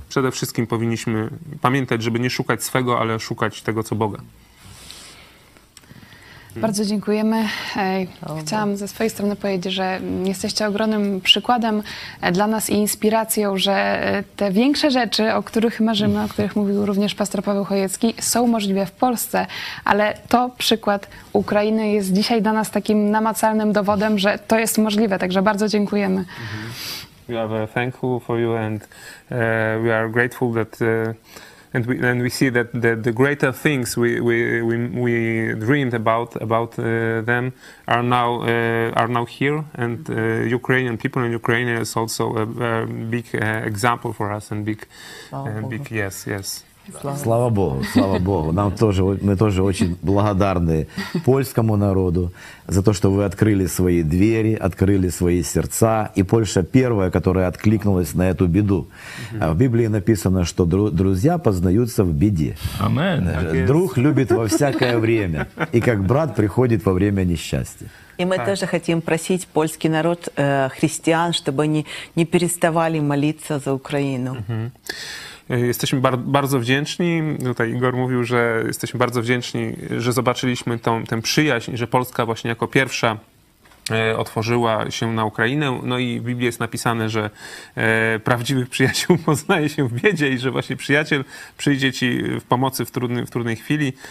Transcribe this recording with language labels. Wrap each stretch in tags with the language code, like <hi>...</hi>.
<pl>Przede wszystkim powinniśmy pamiętać, żeby nie szukać swego, ale szukać tego, co Boga. Bardzo dziękujemy. Chciałam ze swojej strony powiedzieć, że jesteście ogromnym przykładem dla nas i inspiracją, że te większe rzeczy, o których marzymy, o których mówił również pastor Paweł Chojecki, są możliwe w Polsce, ale to przykład Ukrainy jest dzisiaj dla nas takim namacalnym dowodem, że to jest możliwe, także bardzo dziękujemy.</pl> <en>We are thankful for you and we are grateful that And we see that the greater things we dreamed about them are now here, and Ukrainian people and Ukraine is also a big example for us and big yes.</en> <ru>Слава Богу. Нам тоже, мы тоже очень благодарны польскому народу за то, что вы открыли свои двери, открыли свои сердца. И Польша первая, которая откликнулась на эту беду. В Библии написано, что друзья познаются в беде. Амен. Друг любит во всякое время. И как брат приходит во время несчастья. И мы тоже хотим просить польский народ, христиан, чтобы они не переставали молиться за Украину.</ru> <pl>Jesteśmy bardzo wdzięczni, tutaj Igor mówił, że jesteśmy bardzo wdzięczni, że zobaczyliśmy tę przyjaźń, że Polska właśnie jako pierwsza otworzyła się na Ukrainę. No i w Biblii jest napisane, że prawdziwych przyjaciół poznaje się w biedzie i że właśnie przyjaciel przyjdzie ci w pomocy w trudnej chwili.</pl>